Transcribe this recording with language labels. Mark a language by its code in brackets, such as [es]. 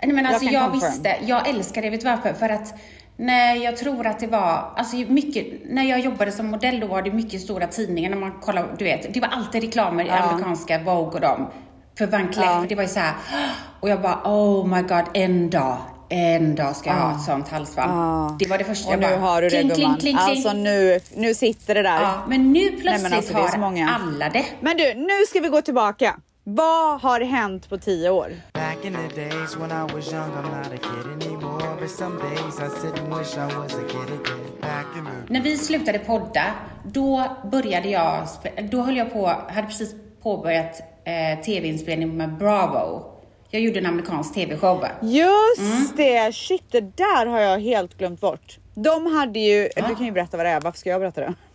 [sv] Nej, men alltså jag visste. Jag älskar det, vet du varför? För att nej, jag tror att det var alltså mycket, när jag jobbade som modell då var det mycket stora tidningar, när man kollar, du vet, det var alltid reklamer i amerikanska Vogue och dem för Van Cleef. Det var ju så här, och jag bara [en] oh my god, [sv] en dag ska jag ha ett sånt halsband. Det var det första och jag bara, nu har du kling, det kling, kling, kling. Alltså nu sitter det där. Men nu plötsligt nej, men alltså, har det många. Alla det. Men du, nu ska vi gå tillbaka. Vad har hänt på 10 år? [en] Back in the days when I was young, I'm not a kid anymore. But some days I sit and wish I was a kid again. Back in the... [sv] När vi slutade podda, då började jag, då höll jag på, hade precis påbörjat tv-inspelning med Bravo. Jag gjorde en amerikansk tv-show. Just det, shit, det där har jag helt glömt bort. De hade ju, du kan ju berätta vad det är, varför ska jag berätta det?